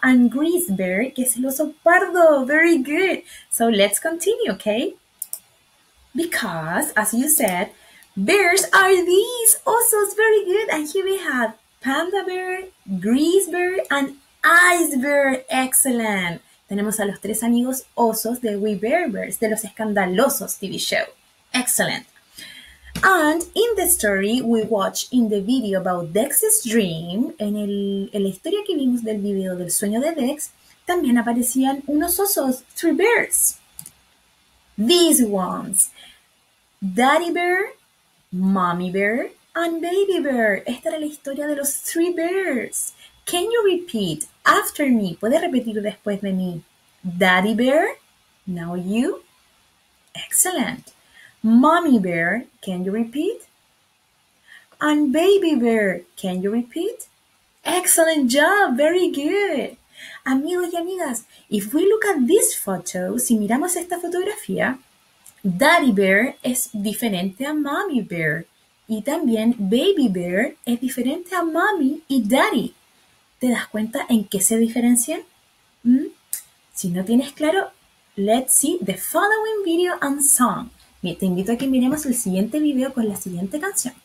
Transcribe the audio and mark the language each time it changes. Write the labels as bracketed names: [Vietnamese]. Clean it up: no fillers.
[English] And grizzly bear, [Spanish] que es el oso pardo. [English] Very good. So let's continue, okay? Because, as you said, bears are these osos. Very good. And here we have panda bear, grizzly bear, and ice bear. Excellent. [Spanish] Tenemos a los tres amigos osos de We Bear Bears, de los escandalosos TV show. [English] Excellent. And in the story we watch in the video about Dex's dream, [Spanish] en la historia que vimos del video del sueño de Dex, también aparecían unos osos, [English] three bears. These ones. Daddy bear, mommy bear, and baby bear. [Spanish] Esta era la historia de los three bears. [English] Can you repeat after me? [Spanish] ¿Puedes repetir después de mí? [English] Daddy bear, now you. Excellent. Mommy bear, can you repeat? And baby bear, can you repeat? Excellent job, very good. [Spanish] Amigos y amigas, [English] if we look at this photo, [Spanish] si miramos esta fotografía, [English] daddy bear [Spanish] es diferente a [English] mommy bear. [Spanish] Y también baby bear es diferente a mommy y daddy. ¿Te das cuenta en qué se diferencian? Si no tienes claro, [English] let's see the following video and song. [Spanish] Te invito a que miremos el siguiente video con la siguiente canción.